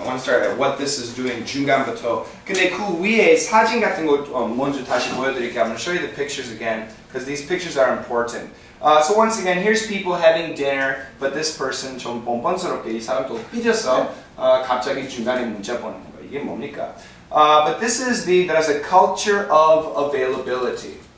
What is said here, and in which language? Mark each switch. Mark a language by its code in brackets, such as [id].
[en] I want to start at what this is doing, [ko] 중간부터. 근데 그 위에 사진 같은 거 먼저 다시 보여드릴게요. [en] I'm going to show you the pictures again, because these pictures are important. So once again, here's people having dinner, but this person [ko] 좀 뻔뻔스럽게 이 사람 또 삐져서 갑자기 중간에 문자 보내는 거. 이게 뭡니까? [en] But this is the, that has a culture of availability.